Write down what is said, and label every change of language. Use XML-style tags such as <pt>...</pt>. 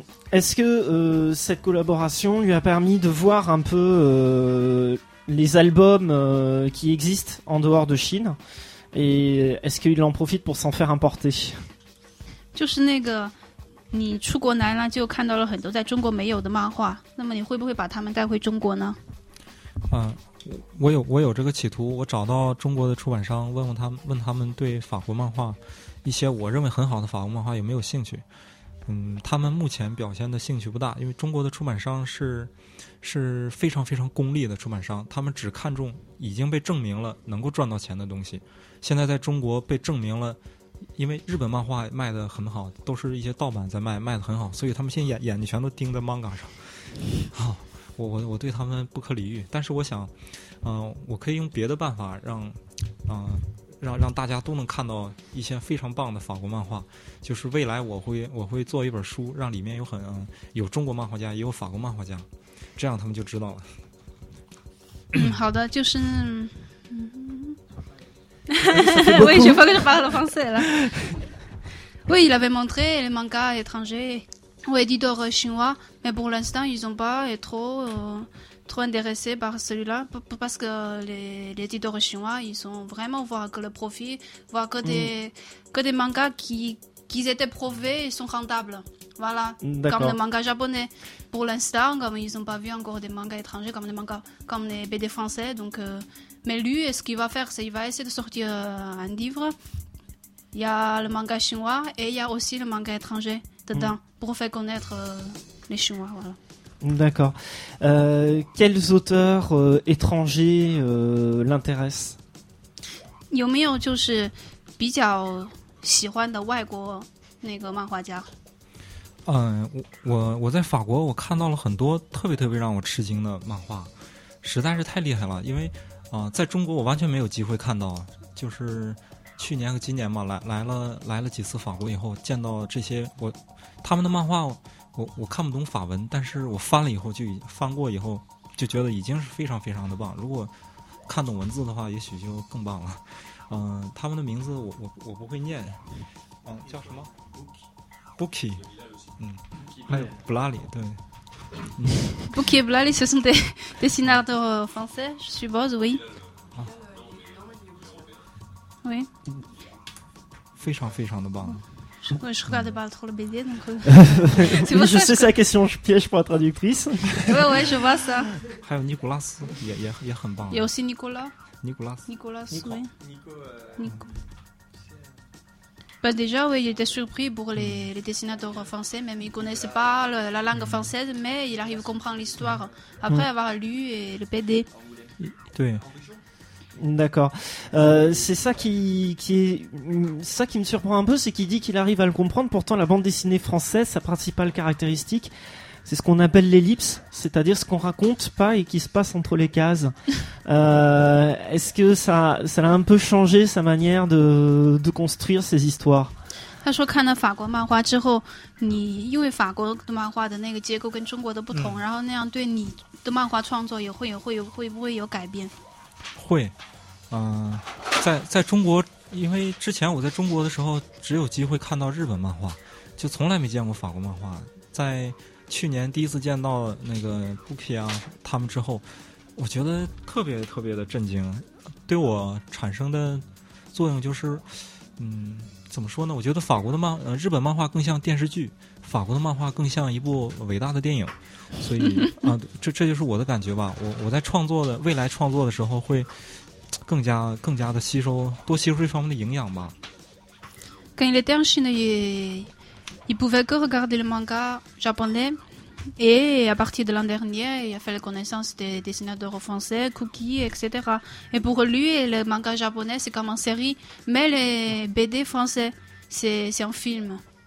<fr>Est-ce que cette collaboration lui a permis de voir un peu les albums qui existent en dehors de Chine? Et est-ce qu'il en profite pour s'en faire importer?</fr> <zh>就是那个，你出国来了，就看到了很多在中国没有的漫画。那么你会不会把他们带回中国呢？我有这个企图。我找到中国的出版商，问他们对法国漫画一些我认为很好的法国漫画有没有兴趣。他们目前表现的兴趣不大，因为中国的出版商是非常非常功利的出版商，他们只看重已经被证明了能够赚到钱的东西。现在在中国被证明了，因为日本漫画卖得很好，都是一些盗版在卖，卖得很好，所以他们现在眼睛全都盯在 manga 上。好、我对他们不可理喻，但是我想，我可以用别的办法让大家都能看到一些非常棒的法国漫画。就是未来我会做一本书，让里面有中国漫画家，也有法国漫画家，这样他们就知道了。嗯，好的，就是。</zh> <fr>oui, je parle le français là. Oui, il avait montré les mangas étrangers aux éditeurs chinois, mais pour l'instant, ils n'ont pas trop trop intéressé par celui-là parce que les éditeurs chinois, ils sont vraiment voir que le profit, voir que des que des mangas qui étaient prouvés, ils sont rentables. Voilà, comme les mangas japonais. Pour l'instant, comme ils n'ont pas vu encore des mangas étrangers comme les mangas, comme les BD français. Donc, mais lui, ce qu'il va faire, c'est qu'il va essayer de sortir un livre. Il y a le manga chinois et il y a aussi le manga étranger dedans pour faire connaître les Chinois. Voilà. D'accord. Quels auteurs étrangers l'intéressent ? Il y a un auteur qui est le plus grand de l'étranger.</fr> <zh>我在法国我看到了很多特别特别让我吃惊的漫画，实在是太厉害了，因为在中国我完全没有机会看到，就是去年和今年吧，来了几次法国以后，见到这些他们的漫画，我看不懂法文，但是我翻了以后翻过以后就觉得已经是非常非常的棒，如果看懂文字的话也许就更棒了。他们的名字我不会念，叫什么 Bookie还有布拉里，对。</zh> <fr>Bookie et Blali, ce sont des dessinateurs français, je suppose, oui. Oui.</fr> <zh>非常非常的棒。</zh> <fr>Je regarde pas trop le BD, donc. C'est moi, je sais sa question, je piège pour la traductrice. Ouais, ouais, je vois ça.</fr> <zh>还有尼古拉斯，也很棒。</zh> <fr>Il y a aussi Nicolas. Nicolas. Nicolas, oui. Nico. Bah déjà, oui, il était surpris pour les dessinateurs français, même ils ne connaissent pas la langue française, mais il arrive à comprendre l'histoire après avoir lu et le BD. Oui. D'accord. C'est ça ça qui me surprend un peu, c'est qu'il dit qu'il arrive à le comprendre. Pourtant, la bande dessinée française, sa principale caractéristique, c'est ce qu'on appelle l'ellipse, c'est-à-dire ce qu'on raconte pas et qui se passe entre les cases. Est-ce que ça a un peu changé sa manière de construire ces histoires ?</fr> <zh>他说看了法国漫画之后，你因为法国的漫画的那个结构跟中国的不同，然后那样对你的漫画创作会不会有改变？会，在中国，因为之前我在中国的时候只有机会看到日本漫画，就从来没见过法国漫画，在。去年第一次见到那个布皮啊他们之后，我觉得特别特别的震惊，对我产生的作用就是怎么说呢，我觉得法国的日本漫画更像电视剧，法国的漫画更像一部伟大的电影，所以这就是我的感觉吧。我在创作的未来创作的时候会更加的吸收，多吸收这方面的营养吧。跟你的电视呢也</zh> <fr>il pouvait que regarder le manga japonais et à partir de l'an dernier il a fait la connaissance des dessinateurs français, Cookie, etc. Et pour lui, le manga japonais c'est comme une série, mais les BD français c'est un film.</fr>